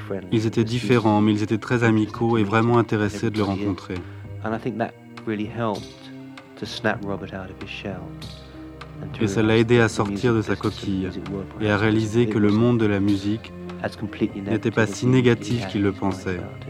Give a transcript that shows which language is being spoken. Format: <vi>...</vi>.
<fr>Ils étaient différents, mais ils étaient très amicaux et vraiment intéressés de le rencontrer.</fr> <en>And I think that really helped to snap Robert out of his shell.</en> <fr>Et ça l'a aidé à sortir de sa coquille et à réaliser que le monde de la musique n'était pas si négatif qu'il le pensait.</fr>